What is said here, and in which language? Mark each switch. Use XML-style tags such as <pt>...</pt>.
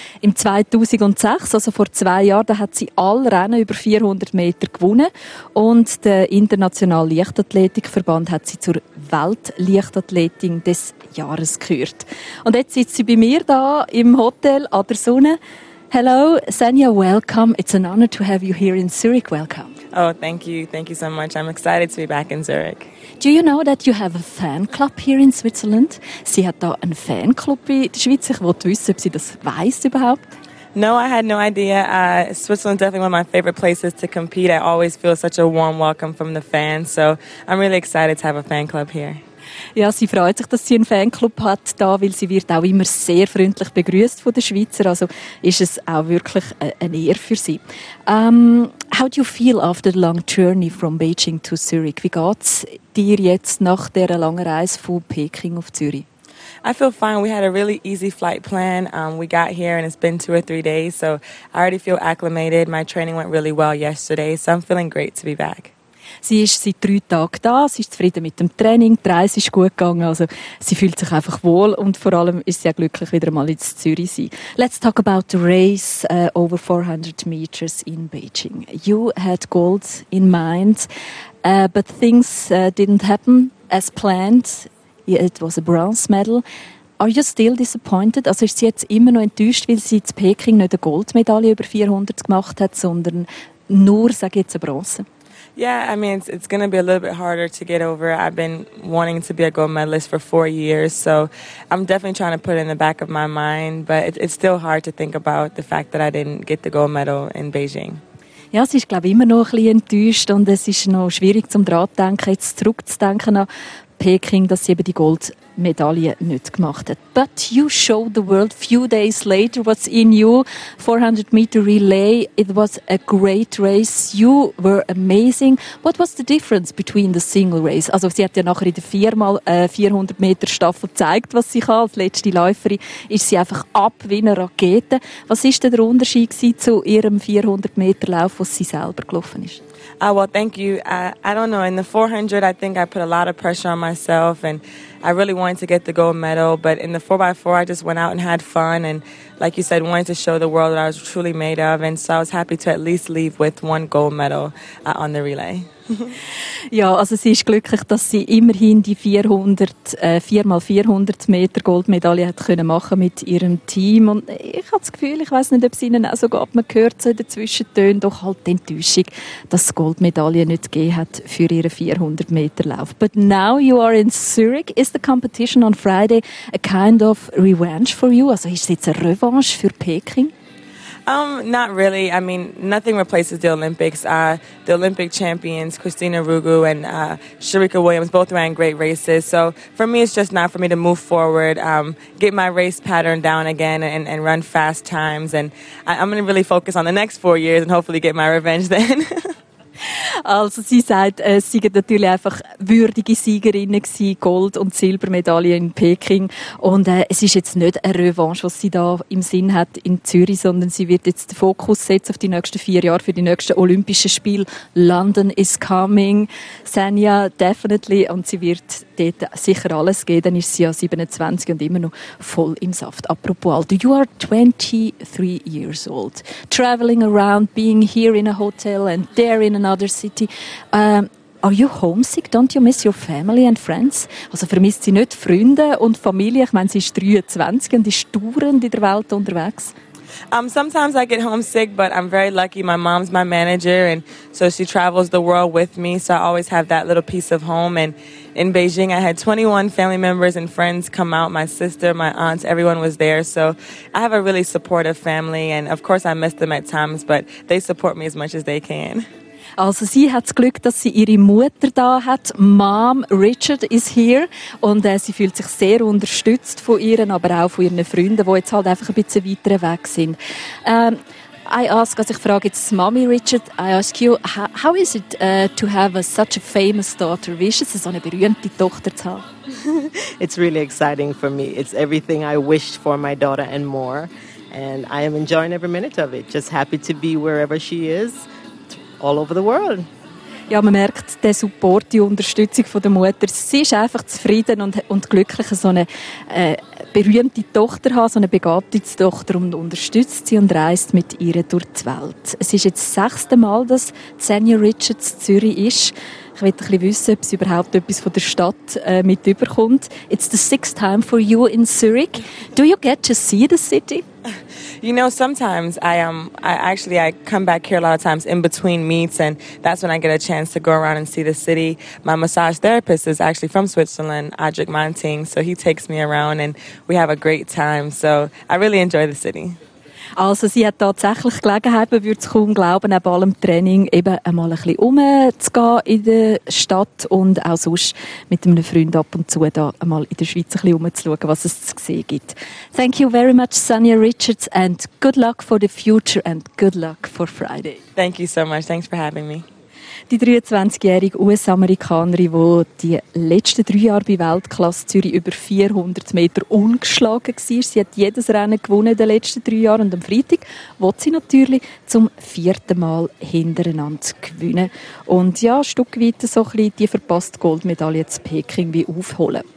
<de>Im 2006, also vor 2 Jahren, hat sie alle Rennen über 400 Meter gewonnen und der Internationale Leichtathletikverband hat sie zur Weltleichtathletin des Jahres gekürt. Und jetzt sitzt sie bei mir da im Hotel an der Sonne.</de> <en>Hello, Xenia, welcome. It's an honor to have you here in Zurich. Welcome. Oh, thank you. Thank you so much. I'm excited to be back in Zurich. Do you know that you have a fan club here in Switzerland?</en> <de>Sie hat da einen Fanclub in der Schweiz. Ich wollte wissen, ob sie das weiss überhaupt.</de> <en>No, I had no idea. Switzerland is definitely one of my favorite places to compete. I always feel such a warm welcome from the fans. So I'm really excited to have a fan club here.</en> <de>Ja, sie freut sich, dass sie einen Fanclub hat da, weil sie wird auch immer sehr freundlich begrüßt von den Schweizern. Also ist es auch wirklich eine Ehre für sie.</de> <en>How do you feel after the long journey from Beijing to Zurich?</en> <de>Wie geht's dir jetzt nach der langen Reise von Peking auf Zürich?</de> <en>I feel fine. We had a really easy flight plan. We got here and it's been 2 or 3 days, so I already feel acclimated. My training went really well yesterday, so I'm feeling great to be back.</en> <de>Sie ist seit 3 Tagen da, sie ist zufrieden mit dem Training, die Reise ist gut gegangen, also sie fühlt sich einfach wohl und vor allem ist sie auch glücklich, wieder mal in Zürich zu sein.</de> <en>Let's talk about the race over 400 meters in Beijing. You had gold in mind, but things didn't happen as planned. It was a bronze medal. Are you still disappointed?</en> <de>Also ist sie jetzt immer noch enttäuscht, weil sie in Peking nicht eine Goldmedaille über 400 gemacht hat, sondern nur, sag ich jetzt, eine Bronze?</de> <en>Yeah, I mean, it's going to be a little bit harder to get over. I've been wanting to be a gold medalist for 4 years, so I'm definitely trying to put it in the back of my mind, but it's still hard to think about the fact that I didn't get the gold medal in Beijing.</en> <de>Ja, sie ist, glaube ich, immer noch ein bisschen enttäuscht und es ist noch schwierig, zum dran denken, jetzt zurückzudenken an Peking, dass sie eben die Goldmedaille nicht gemacht hat.</de> <en>But you showed the world few days later what's in you. 400 meter relay, it was a great race. You were amazing. What was the difference between the single race?</en> <de>Also sie hat ja nachher in der 400 Meter Staffel gezeigt, was sie kann. Als letzte Läuferin ist sie einfach ab wie eine Rakete. Was ist denn der Unterschied zu ihrem 400 Meter Lauf, was sie selber gelaufen ist?</de> <en>Well, thank you. I don't know. In the 400, I think I put a lot of pressure on myself, and I really wanted to get the gold medal. But in the 4x4, I just went out and had fun, and like you said, wanted to show the world what I was truly made of. And so I was happy to at least leave with one gold medal on the relay.</en> <de>Ja, also sie ist glücklich, dass sie immerhin die 4x400 Meter Goldmedaille hat können machen mit ihrem Team. Und ich habe das Gefühl, ich weiß nicht, ob es ihnen auch so geht, man hört so in den Zwischentönen doch halt die Enttäuschung, dass es Goldmedaille nicht gegeben hat für ihren 400 Meter Lauf.</de> <en>But now you are in Zurich. Is the competition on Friday a kind of revenge for you?</en> <de>Also ist es jetzt eine Revanche für Peking?</de> <en>Not really. I mean, nothing replaces the Olympics. The Olympic champions, Christina Rugu and Sharika Williams, both ran great races. So for me, it's just not for me to move forward, get my race pattern down again and run fast times. And I'm going to really focus on the next 4 years and hopefully get my revenge then.</en> <de>Also sie sagt, es seien natürlich einfach würdige Siegerinnen gewesen, Gold- und Silbermedaille in Peking. Und es ist jetzt nicht eine Revanche, was sie da im Sinn hat in Zürich, sondern sie wird jetzt den Fokus setzen auf die nächsten 4 Jahre für die nächsten Olympischen Spiele.</de> <en>London is coming, Senja, definitely.</en> <de>Und sie wird dort sicher alles geben, dann ist sie ja 27 und immer noch voll im Saft. Apropos Alter,</de> <en>you are 23 years old, traveling around, being here in a hotel and there in another city. Are you homesick? Don't you miss your family and friends?</en> <de>Also vermisst sie nicht Freunde und Familie? Ich meine, sie ist 23 und ist dauernd in der Welt unterwegs.</de> <en>Sometimes I get homesick, but I'm very lucky. My mom's my manager, and so she travels the world with me, so I always have that little piece of home. And in Beijing, I had 21 family members and friends come out, my sister, my aunts, everyone was there. So I have a really supportive family, and of course I miss them at times, but they support me as much as they can.</en> <de>Also sie hat das Glück, dass sie ihre Mutter da hat.</de> <en>Mom, Richard is here.</en> <de>Und sie fühlt sich sehr unterstützt von ihren, aber auch von ihren Freunden, die jetzt halt einfach ein bisschen weiter weg sind. Ich frage jetzt</de> <en>Mommy Richard, I ask you, how is it to have such a famous daughter?</en> <de>Wie ist es, so eine berühmte Tochter zu haben?</de> <en>It's really exciting for me. It's everything I wished for my daughter and more. And I am enjoying every minute of it. Just happy to be wherever she is. All over the world.</en> <de>Ja, man merkt den Support, die Unterstützung von der Mutter. Sie ist einfach zufrieden und glücklich, so eine berühmte Tochter haben, so eine begabte Tochter, und unterstützt sie und reist mit ihr durch die Welt. Es ist jetzt das 6. Mal, dass Xenia Richards in Zürich ist. Ich möchte ein bisschen wissen, ob sie überhaupt etwas von der Stadt mit überkommt.</de> <en>It's the 6th time for you in Zurich. Do you get to see the city? You know, sometimes I come back here a lot of times in between meets, and that's when I get a chance to go around and see the city. My massage therapist is actually from Switzerland, Adric Manting, so he takes me around and we have a great time. So I really enjoy the city.</en> <de>Also sie hat tatsächlich Gelegenheit, man würde es kaum glauben, neben allem Training eben einmal ein bisschen rumzugehen in der Stadt und auch sonst mit einem Freund ab und zu da einmal in der Schweiz ein bisschen rumzuschauen, was es zu sehen gibt.</de> <en>Thank you very much, Xenia Richards, and good luck for the future and good luck for Friday. Thank you so much, thanks for having me.</en> <de>Die 23-jährige US-Amerikanerin, die die letzten 3 Jahre bei Weltklasse Zürich über 400 Meter ungeschlagen war. Sie hat jedes Rennen gewonnen in den letzten 3 Jahren. Und am Freitag will sie natürlich zum 4. Mal hintereinander gewinnen. Und ja, ein Stück weit so ein bisschen die verpasste Goldmedaille zu Peking wie aufholen.</de>